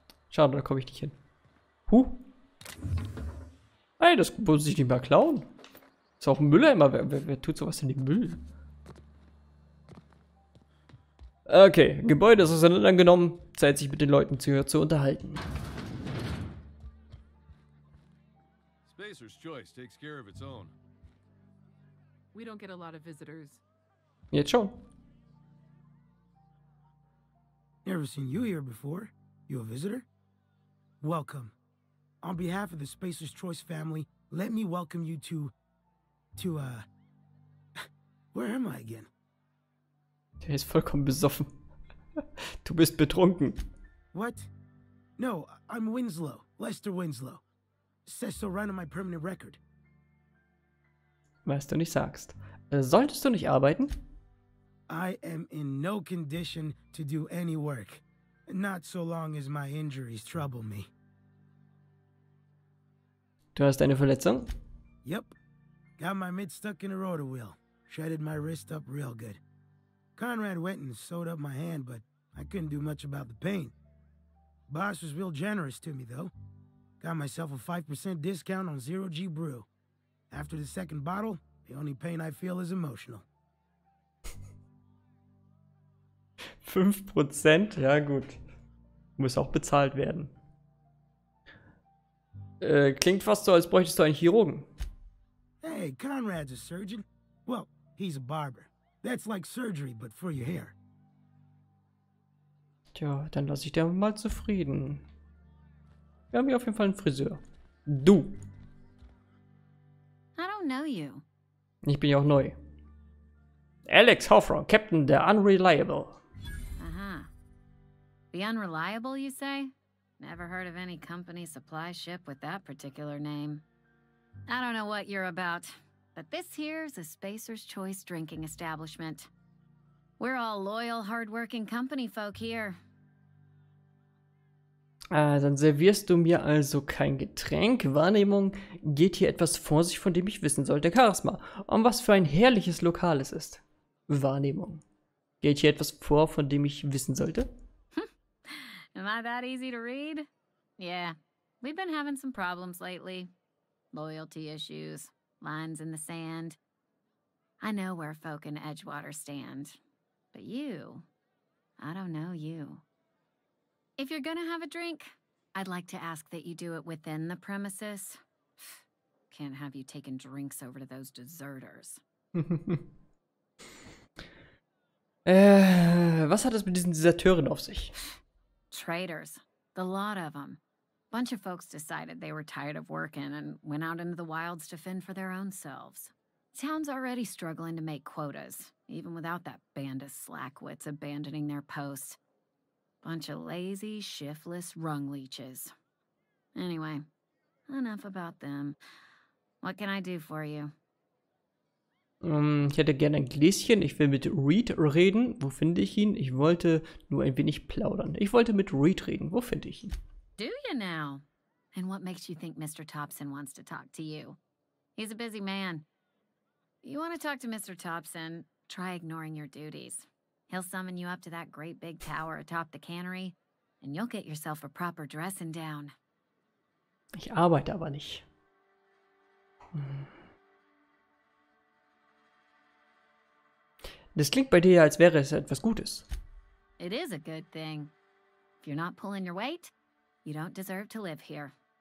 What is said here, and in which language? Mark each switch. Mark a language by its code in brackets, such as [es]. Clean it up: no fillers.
[de] Schade, da komme ich nicht hin. Huh. Ey, das muss ich nicht mehr klauen. Ist auch ein Müller immer. Wer tut sowas in den Müll? Okay, Gebäude ist auseinandergenommen. Zeit, sich mit den Leuten zu unterhalten. [en] Spacer's Choice takes care of its own. We don't get a lot of visitors. [de] Jetzt schon. [en] Never seen you here before. You a visitor? Welcome. On behalf of the Spacer's Choice family, let me welcome you to where am I again? [de] Der ist vollkommen besoffen. Du bist betrunken. [en] What? No, I'm Winslow. Lester Winslow. Says so right on my permanent record. [de] Was du nicht sagst. Solltest du nicht arbeiten? [en] I am in no condition to do any work. Not so long as my injuries trouble me. [de] Du hast eine Verletzung? [en] Yep. Got my mitt stuck in a rotor wheel. Shredded my wrist up real good. Conrad went and sewed up my hand, but I couldn't do much about the pain. Boss was real generous to me, though. Got myself a 5% discount on Zero G Brew. After the second bottle, the only pain I feel is emotional. [de] 5%? Ja, gut. Muss auch bezahlt werden. Klingt fast so, als bräuchtest du einen Chirurgen. [en] Hey, Conrad's a surgeon. Well, he's a barber. That's like surgery, but for your hair. [de] Tja, dann lass ich dir mal zufrieden. Wir haben hier auf jeden Fall einen Friseur. Du. [en] I don't know you. [de] Ich bin ja auch neu. Alex Hoffron, Captain der Unreliable. [en] Aha. The Unreliable, you say? Never heard of any company supply ship with that particular name. I don't know what you're about, but this here's a Spacer's Choice drinking establishment. We're all loyal, hardworking company folk here. [de] Dann servierst du mir also kein Getränk. Wahrnehmung geht hier etwas vor sich, von dem ich wissen sollte. Charisma. Und was für ein herrliches Lokal es ist. Wahrnehmung. Geht hier etwas vor, von dem ich wissen sollte? [en] Am I that easy to read? Yeah, we've been having some problems lately. Loyalty issues, lines in the sand. I know where folk in Edgewater stand. But you, I don't know you. If you're gonna have a drink, I'd like to ask that you do it within the premises. Can't have you taking drinks over to those deserters. Was hat es mit diesen Deserteuren auf sich? Traitors. The lot of them. Bunch of folks decided they were tired of working and went out into the wilds to fend for their own selves. Town's already struggling to make quotas, even without that band of slackwits abandoning their posts. Bunch of lazy, shiftless rung leeches. Anyway, enough about them. What can I do for you? [de] Ich hätte gerne ein Gläschen. Ich will mit Reed reden. Wo finde ich ihn? Ich wollte nur ein wenig plaudern. Ich wollte mit Reed reden. Wo finde ich ihn? [en] Do you now? And what makes you think Mr. Thompson wants to talk to you? He's a busy man. You want to talk to Mr. Thompson? Try ignoring your duties. He'll summon you up to that great big tower atop the cannery, and you'll get yourself a proper dressing down. [de] Ich arbeite aber nicht. Das klingt bei dir, als wäre es etwas Gutes. [en] It is a good thing. If you're not pulling your weight, you don't deserve to live here.